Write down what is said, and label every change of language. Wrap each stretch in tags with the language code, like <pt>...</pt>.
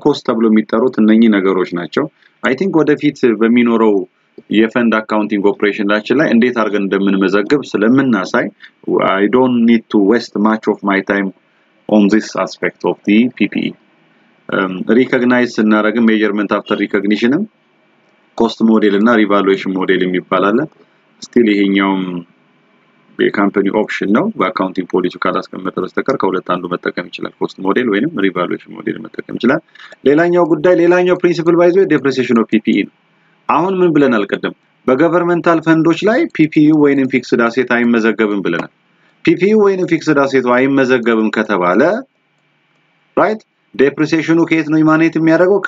<am>cost ተብሎ የሚጠሩት እነኚህ ነገሮች ናቸው.</am> <en>አይ ቲንክ</en> <am>ወደፊት በሚኖረው የfund accounting operation ላይ እንዴት አድርገን እንደምንመዘግብ ስለምናሳይ</am> <en>I don't need to waste much of my time on this aspect of the PPE.</en> <am>ሪኮግናይዝ እናረግ ሜጀርመንት አፍተር ሪኮግኒሽንም ኮስት ሞዴል እና ሪቫሉዌሽን ሞዴል የሚባል አለ. ስቲል ይሄኛው የካምፓኒ ኦፕሽን ነው። በአካውንቲንግ ፖሊሲው ካላስቀመጠ በስተቀር ከሁለት አንዱ መጠቀም ይችላል። ኮስት ሞዴል ወይንም ሪቫሉዌሽን ሞዴል መጠቀም ይችላል። ሌላኛው ጉዳይ ሌላኛው ፕሪንሲፕል ባይዘው ዲፕሪሲሽን ኦፍ ፒፒኢ ነው። አሁን ምን ብለን አልቀደም በገቨርንመንታል ፈንዶች ላይ ፒፒዩ ወይንም ፊክስድ አሴት አይመዘገብም ብለናል። ፒፒዩ ወይንም ፊክስድ አሴት አይመዘገብም ከተባለ ራይት ዲፕሪሲሽኑ ከየት ነው ኢማኔት የሚያደርገው?</am>